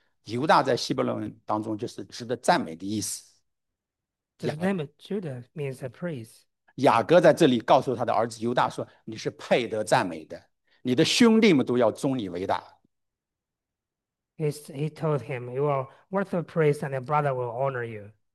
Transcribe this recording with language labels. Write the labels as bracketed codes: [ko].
[zh] 犹大在希伯伦当中就是值得赞美的意思。 [en] This name of Judah means a praise. [zh] 雅各在这里告诉他的儿子犹大说：“你是配得赞美的，你的兄弟们都要尊你为大。 [en] He told him, "You are worth of praise, and your brother will honor you."